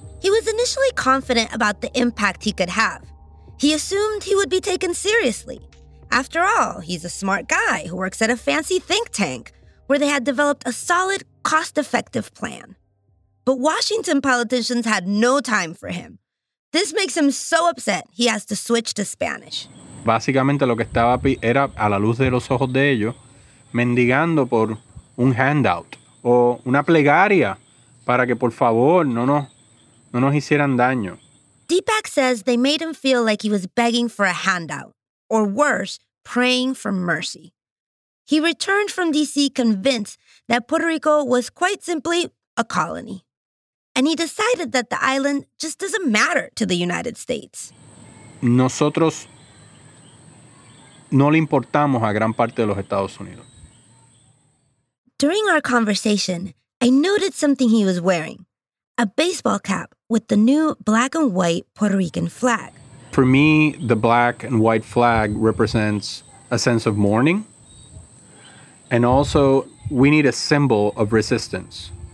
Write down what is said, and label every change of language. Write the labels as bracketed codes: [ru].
[en] He was initially confident about the impact he could have. He assumed he would be taken seriously. After all, he's a smart guy who works at a fancy think tank where they had developed a solid, cost-effective plan. But Washington politicians had no time for him. This makes him so upset he has to switch to Spanish. [es] Básicamente lo que estaba era a la luz de los ojos de ellos mendigando por un handout o una plegaria para que por favor no nos hicieran daño. [en] Deepak says they made him feel like he was begging for a handout, or worse, praying for mercy. He returned from D.C. convinced that Puerto Rico was quite simply a colony. And he decided that the island just doesn't matter to the United States. [es] Nosotros no le importamos a gran parte de los Estados Unidos. [en] During our conversation, I noted something he was wearing, a baseball cap with the new black and white Puerto Rican flag. For me, the black and white flag represents a sense of mourning. And also, we need a symbol of resistance.